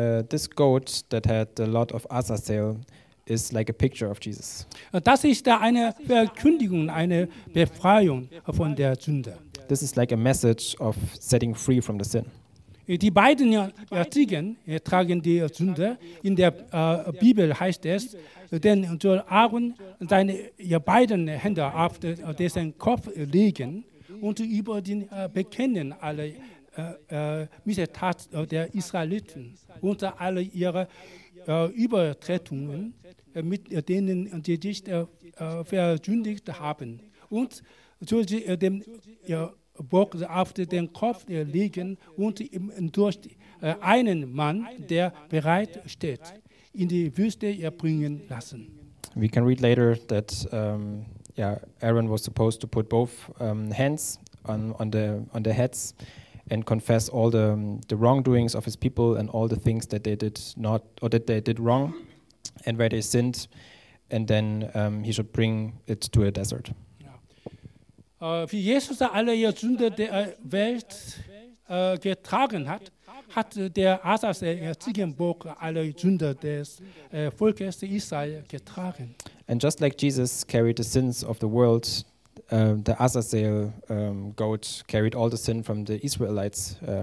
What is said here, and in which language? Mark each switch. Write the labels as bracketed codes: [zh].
[en] This goat that had the lot of Azazel is like a picture of Jesus. [de] Das ist eine Verkündigung, eine Befreiung von der Sünde. [en] This is like a message of setting free from the sin. [de] Die beiden Ziegen tragen die Sünde. In der Bibel heißt es, denn soll Aaron seine beiden Hände auf dessen Kopf legen und über den bekennen alle Missetat der Israeliten unter alle ihre Übertretungen, mit denen sie sich versündigt haben und soll sie dem Bock auf den Kopf legen und durch einen Mann, der bereit steht, in die Wüste bringen lassen. [en] We can read later that Aaron was supposed to put both hands on the heads and confess all the wrongdoings of his people and all the things that they did not or that they did wrong and where they sinned, and then he should bring it to a desert. [de] Wie Jesus alle Sünde der Welt getragen hat, hat der Azazel-Ziegenbock alle Sünde des Volkes Israel getragen. [en] And just like Jesus carried the sins of the world, the Azazel goat carried all the sin from the Israelites.